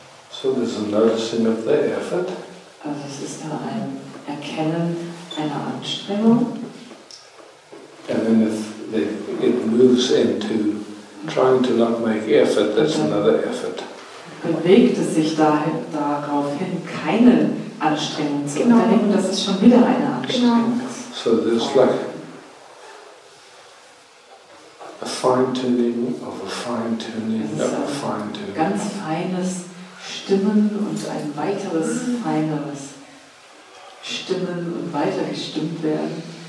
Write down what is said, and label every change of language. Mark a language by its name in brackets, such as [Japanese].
[English] So there's a noticing of the effort. [German] Also es ist da ein Erkennen einer Anstrengung. [English] And then if it moves into trying to not make effort, that's another effort. [German] Bewegt es sich dahin, darauf hin, keine Anstrengung zu unternehmen, das ist schon wieder eine Anstrengung. [English] So there's like a fine-tuning of a fine-tuning of a fine-tuning. [German] Ganz feines Stimmen und ein weiteres feineres abstimmen und weitergestimmt werden.